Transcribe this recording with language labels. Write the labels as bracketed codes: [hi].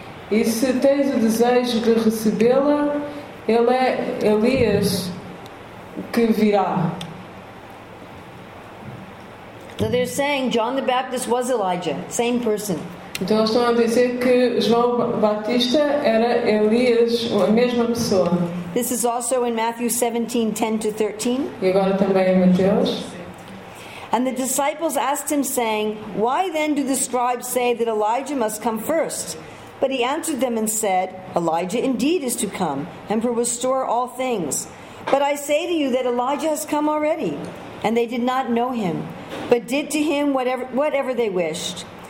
[pt] E se tens o desejo de recebê-la, ele é Elias que virá. [en] So they're saying John the Baptist was Elijah, same person. [pt] Então eles estão a dizer que João Batista era Elias, a mesma pessoa. [en] This is also in Matthew 17:10-13. [pt] E agora também em Mateus. [en] And the disciples asked him, saying, "Why then do the scribes say that Elijah must come first?" But he answered them and said, "Elijah indeed is to come and to restore all things. But I say to you that Elijah has come already, and they did not know him, but did to him whatever they wished.